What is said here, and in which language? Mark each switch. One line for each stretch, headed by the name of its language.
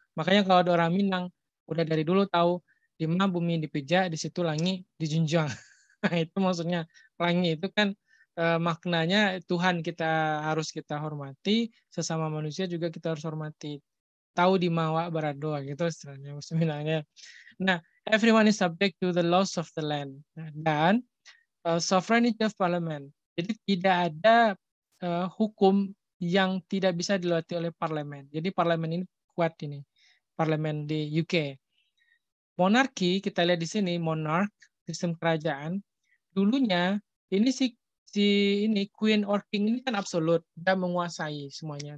Indonesian: Makanya kalau ada orang Minang, udah dari dulu tahu, di mana bumi dipijak, di situ langit dijunjung. Itu maksudnya. Langit itu kan maknanya Tuhan kita harus kita hormati, sesama manusia juga kita harus hormati. Tahu di mawa berado, gitu istilahnya. Maksudnya. Nah,
English: everyone is subject to the laws of the land.
Indonesian: Dan
English: sovereignty of parliament.
Indonesian: Jadi tidak ada hukum yang tidak bisa dilewati oleh parlemen. Jadi parlemen ini kuat ini. Parlemen di UK. Monarki, kita lihat di sini, monarch, sistem kerajaan. Dulunya, ini si queen or king ini kan absolut dan menguasai semuanya.